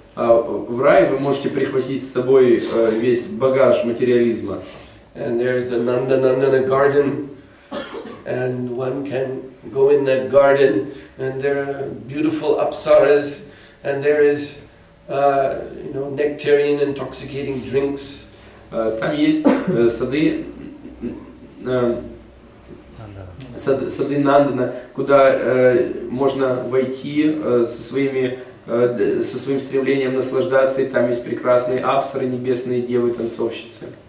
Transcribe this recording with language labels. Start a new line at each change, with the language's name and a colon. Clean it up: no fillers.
Russian: В рай вы можете прихватить с собой весь багаж материализма.
English: And there's the Nandanandana garden, and one can go in that garden, and there are beautiful apsaras, and there is nectarian intoxicating drinks.
Russian: Там есть сады, сады Нандана, куда можно войти со своим стремлением наслаждаться, и там есть прекрасные апсары, небесные девы, танцовщицы.